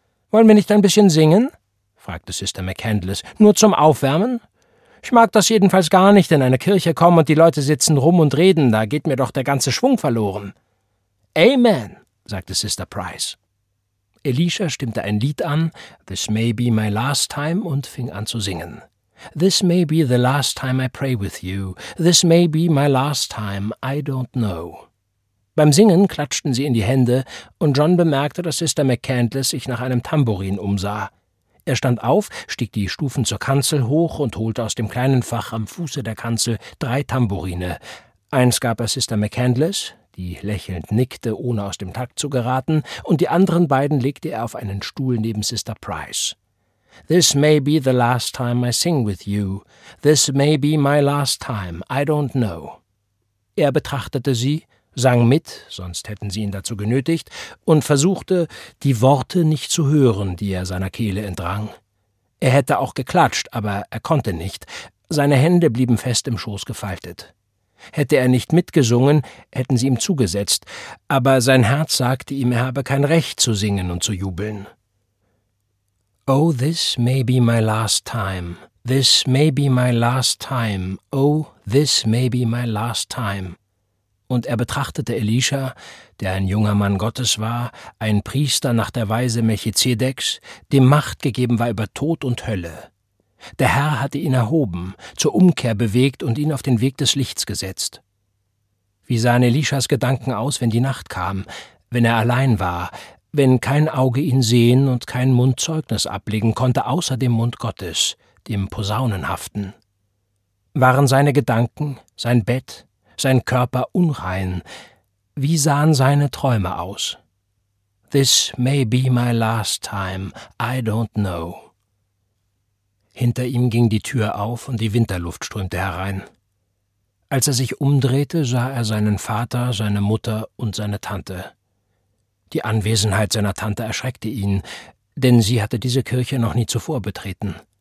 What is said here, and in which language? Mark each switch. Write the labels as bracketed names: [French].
[German] »Wollen wir nicht ein bisschen singen?«, fragte Sister McCandless. »Nur zum Aufwärmen? Ich mag das jedenfalls gar nicht, in eine Kirche kommen und die Leute sitzen rum und reden, da geht mir doch der ganze Schwung verloren.« »Amen«, sagte Sister Price. Elisha stimmte ein Lied an, » [English] This may be my last time«, [German] und fing an zu singen. [English] »This may be the last time I pray with you. This may be my last time, I don't know.« [German] Beim Singen klatschten sie in die Hände, und John bemerkte, dass Sister McCandless sich nach einem Tambourin umsah. Er stand auf, stieg die Stufen zur Kanzel hoch und holte aus dem kleinen Fach am Fuße der Kanzel drei Tambourine. Eins gab er Sister McCandless, die lächelnd nickte, ohne aus dem Takt zu geraten, und die anderen beiden legte er auf einen Stuhl neben Sister Price. [English] »This may be the last time I sing with you. This may be my last time. I don't know.« [German] Er betrachtete sie, sang mit, sonst hätten sie ihn dazu genötigt, und versuchte, die Worte nicht zu hören, die er seiner Kehle entrang. Er hätte auch geklatscht, aber er konnte nicht. Seine Hände blieben fest im Schoß gefaltet. Hätte er nicht mitgesungen, hätten sie ihm zugesetzt, aber sein Herz sagte ihm, er habe kein Recht zu singen und zu jubeln. [English] »Oh, this may be my last time. This may be my last time. Oh, this may be my last time.« [German] Und er betrachtete Elisha, der ein junger Mann Gottes war, ein Priester nach der Weise Melchizedeks, dem Macht gegeben war über Tod und Hölle. Der Herr hatte ihn erhoben, zur Umkehr bewegt und ihn auf den Weg des Lichts gesetzt. Wie sahen Elishas Gedanken aus, wenn die Nacht kam, wenn er allein war, wenn kein Auge ihn sehen und kein Mund Zeugnis ablegen konnte, außer dem Mund Gottes, dem Posaunenhaften? Waren seine Gedanken, sein Bett, sein Körper unrein? Wie sahen seine Träume aus? [English] This may be my last time, I don't know. [German] Hinter ihm ging die Tür auf und die Winterluft strömte herein. Als er sich umdrehte, sah er seinen Vater, seine Mutter und seine Tante. Die Anwesenheit seiner Tante erschreckte ihn, denn sie hatte diese Kirche noch nie zuvor betreten.